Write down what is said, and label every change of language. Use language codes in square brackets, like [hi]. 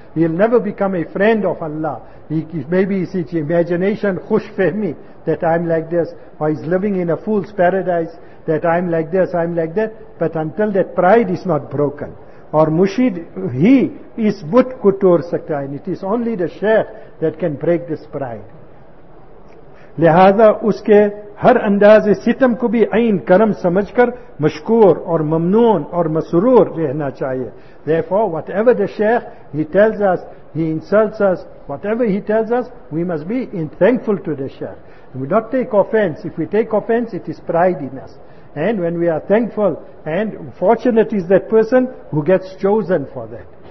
[en] He'll never become a friend of Allah. Maybe it's his imagination, khush fahmi, that I'm like this, or he's living in a fool's paradise, that I'm like this, I'm like that. But until that pride is not broken, or mushid, he is but kutur sakta, and it is only the shaykh that can break this pride. [ur] لہذا اس کے ہر انداز ستم کو بھی عین کرم سمجھ کر مشکور اور ممنون اور مسرور رہنا چاہیے. [en] Therefore, whatever the shaykh, he tells us, he insults us, whatever he tells us, we must be in thankful to the shaykh. We do not take offense. If we take offense, it is pride in us. And when we are thankful, and fortunate is that person who gets chosen for that.